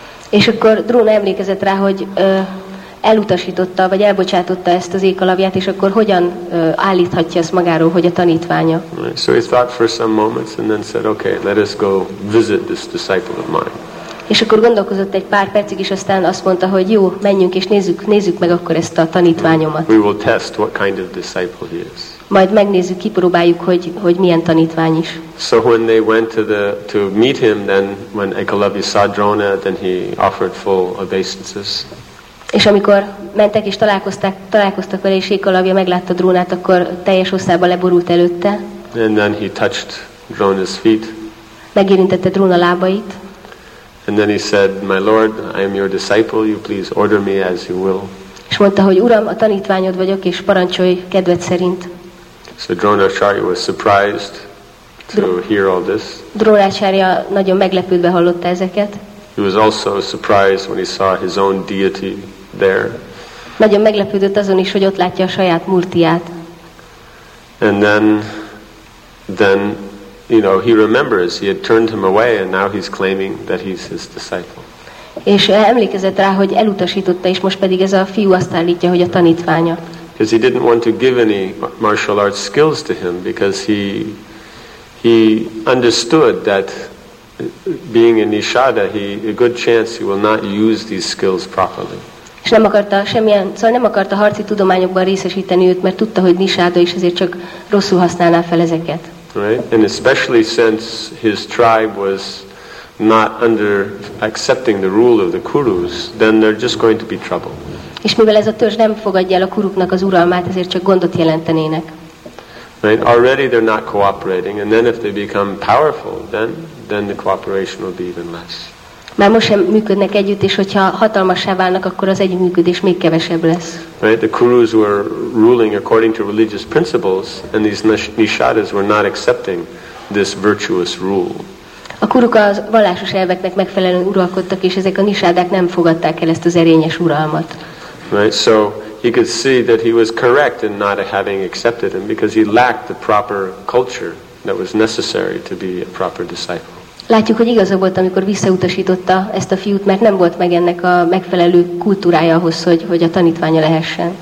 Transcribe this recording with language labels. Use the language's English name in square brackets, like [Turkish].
[Hungarian] És akkor Dróna emlékezett rá, hogy elutasította vagy elbocsátotta ezt az Ékalavját, és akkor hogyan állíthatja ezt magáról, hogy a tanítványa? [English] Right. So he thought for some moments and then said, okay, let us go visit this disciple of mine. [Hungarian] És akkor gondolkozott egy pár percig, és aztán azt mondta, hogy jó, menjünk és nézzük meg akkor ezt a tanítványomat. [English] We will test what kind of disciple he is. [Hungarian] Majd megnézzük, kipróbáljuk, hogy milyen tanítvány is. [English] So when they went to meet him, then when Ekalavya saw Drona, then he offered full obeisances. [Hungarian] És amikor mentek és találkoztak vele, és Ékalavja meglátta Drónát, akkor teljes hosszába leborult előtte. [English] And then he touched Drona's feet. [Hungarian] Megérintette Dróna lábait. [English] And then he said, my lord, I am your disciple, you please order me as you will. [Hungarian] És mondta, hogy uram, a tanítványod vagyok, és parancsolj kedved szerint. [English] So Drónacharya was surprised to hear all this. [Hungarian] Drónacharya nagyon meglepődve hallotta ezeket. [English] He was also surprised when he saw his own deity there. [Hungarian] Nagyon meglepődött azon is, hogy ott látja a saját murtiát. [English] And then, you know, he remembers he had turned him away, and now he's claiming that he's his disciple. [Hungarian] És emlékezett rá, hogy elutasította, és most pedig ez a fiú azt állítja, hogy a tanítványa. [English] Because he didn't want to give any martial arts skills to him, because he understood that being a nishada, a good chance he will not use these skills properly. [Hungarian] És nem akarta semmilyen, szóval nem akarta harci tudományokban részesíteni őt, mert tudta, hogy nishada, és ezért csak rosszul használná fel ezeket. [English] Right? And especially since his tribe was not under accepting the rule of the Kurus, then they're just going to be trouble. [Hungarian] És mivel ez a törzs nem fogadja el a kuruknak az uralmát, ezért csak gondot jelentenének. [English] Right? Already they're not cooperating, and then if they become powerful, then the cooperation will be even less. [Hungarian] Már most sem működnek együtt, és hogyha hatalmassá válnak, akkor az együttműködés még kevesebb lesz. [English] Right? The Kurus were ruling according to religious principles, and these nishadas were not accepting this virtuous rule. [Hungarian] A kuruk a vallásos elveknek megfelelően uralkodtak, és ezek a nisádák nem fogadták el ezt az erényes uralmat. [English] Right, so he could see that he was correct in not having accepted him because he lacked the proper culture that was necessary to be a proper disciple. [Hungarian] Látjuk, hogy igaza volt, amikor visszautasította ezt a fiút, mert nem volt meg ennek a megfelelő kultúrája ahhoz, hogy a tanítványa lehessen.